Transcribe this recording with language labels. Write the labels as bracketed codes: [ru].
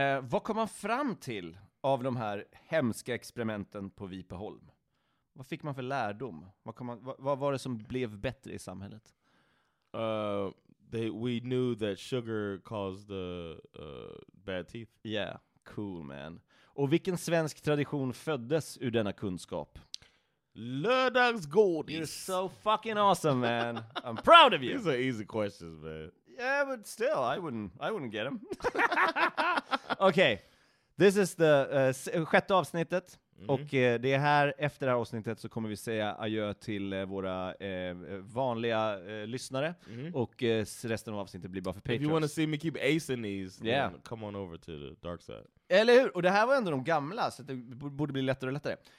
[sv] Vad kom man fram till av de här hemska experimenten på Vipeholm? Vad fick man för lärdom? Vad var det som blev bättre i samhället? [en] We knew that sugar caused bad teeth. Yeah, cool man. [sv] Och vilken svensk tradition föddes ur denna kunskap? Lördagsgodis. [en] You're so fucking awesome, man. I'm proud of you. These are easy questions, man. Yeah, but still, I wouldn't get them. Okay. This is the [sv] sjätte avsnittet. Mm-hmm. Och det är här, efter det här avsnittet, så kommer vi säga adjö till våra vanliga lyssnare. Mm-hmm. Och resten av avsnittet blir bara för Patreon. [en] If you want to see me keep acing these, yeah, then come on over to the dark side. [sv] Eller hur? Och det här var ändå de gamla, så det borde bli lättare och lättare.